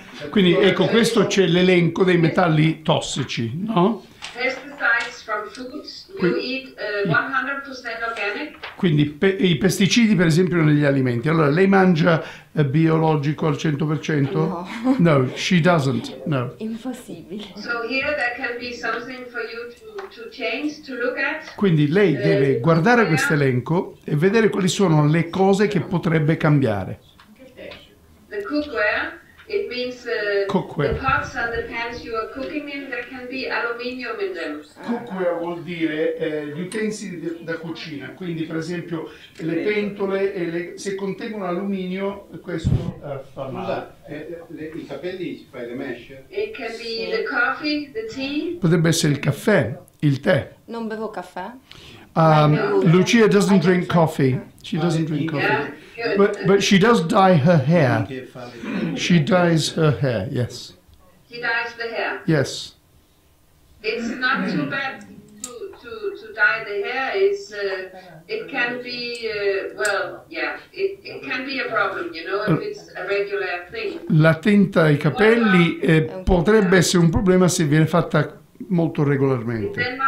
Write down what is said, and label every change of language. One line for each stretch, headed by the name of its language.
Italian: Quindi ecco, questo c'è l'elenco dei metalli tossici, no?
English: Pesticides from foods, you eat 100% organic.
Italian: Quindi i pesticidi per esempio negli alimenti, allora lei mangia biologico al 100%? No.
English: No, she doesn't, no.
Italian: Impossibile.
English: So here there can be something for you to change, to look at.
Italian: Quindi lei deve guardare questo elenco e vedere quali sono le cose che potrebbe cambiare.
English: The cookware. It means cookware. The pots and the pans you are cooking in, there can be aluminium in them.
Italian: Cookware vuol dire gli utensili da cucina, quindi per esempio le pentole, e se contengono alluminio, questo fa male. Scusa, i capelli si fai le mesh?
English: It can be the coffee, the tea.
Italian: Potrebbe essere il caffè, il tè. Non bevo caffè.
English: Lucia doesn't drink coffee. She doesn't drink coffee. Yeah, but she does dye her hair. She dyes her hair, yes. He dyes the hair? Yes. It's not too bad to dye the hair. It's it can be, it can be a problem, you know, if it's a regular thing.
Italian: La tinta ai capelli potrebbe essere un problema se viene fatta molto regolarmente.